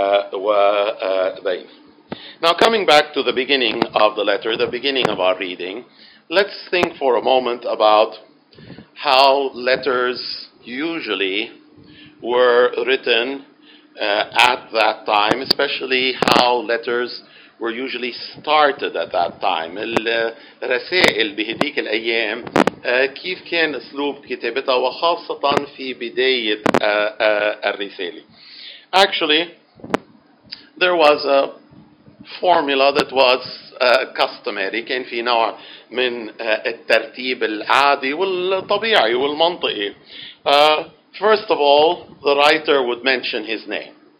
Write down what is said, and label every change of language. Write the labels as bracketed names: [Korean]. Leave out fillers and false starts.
[English] Now, coming back to the beginning of the letter, the beginning of our reading, let's think for a moment about how letters usually were written at that time, especially how letters were usually started at that time. [Arabic] الرسائل بهذيك الأيام كيف كان أسلوب كتابتها وخاصة في بداية الرسالة. [English] Actually, there was a formula that was customary. [Arabic] كان في نوع من الترتيب العادي والطبيعي والمنطقي. [English] First of all, the writer would mention his name.